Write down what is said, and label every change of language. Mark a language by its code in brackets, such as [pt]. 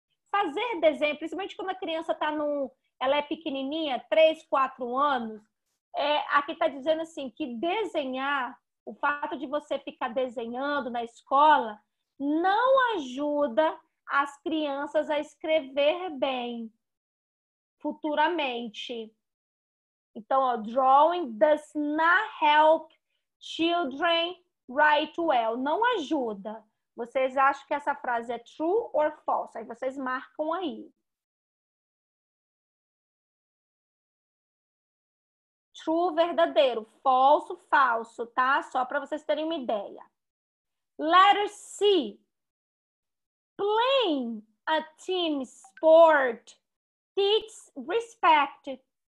[pt] Fazer desenho, principalmente quando a criança tá ela é pequenininha, 3, 4 anos, aqui tá dizendo assim, que desenhar, o fato de você ficar desenhando na escola, não ajuda as crianças a escrever bem futuramente. Então, ó, [en] drawing does not help children write well. [pt] Não ajuda. Vocês acham que essa frase é [en] true or false? [pt] Aí vocês marcam aí. True, verdadeiro. Falso, falso, tá? Só para vocês terem uma ideia. [en] Letter C. Playing a team sport teaches respect.